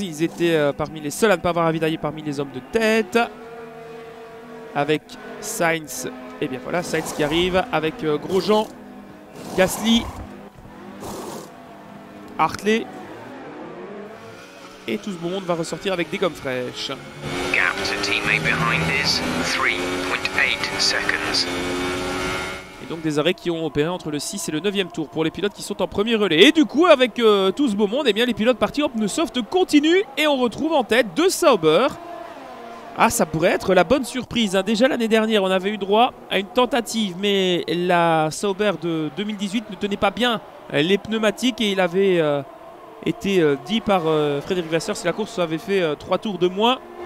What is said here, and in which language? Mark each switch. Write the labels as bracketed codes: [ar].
[fr] Ils étaient parmi les seuls à ne pas avoir ravitaillé parmi les hommes de tête. Avec Sainz. Et bien voilà, Sainz qui arrive avec Grosjean, Gasly, Hartley. Et tout ce monde va ressortir avec des gommes fraîches. [en] Gap to teammate behind is 3.8 seconds. [fr] Et donc des arrêts qui ont opéré entre le 6 et le 9ème tour pour les pilotes qui sont en premier relais. Et du coup, avec tout ce beau monde, eh bien, les pilotes partis en pneus soft continuent. Et on retrouve en tête deux Sauber Ah, ça pourrait être la bonne surprise. Déjà l'année dernière, on avait eu droit à une tentative, mais la Sauber de 2018 ne tenait pas bien les pneumatiques et il avait été dit par Frédéric Vasseur si la course avait fait 3 tours de moins.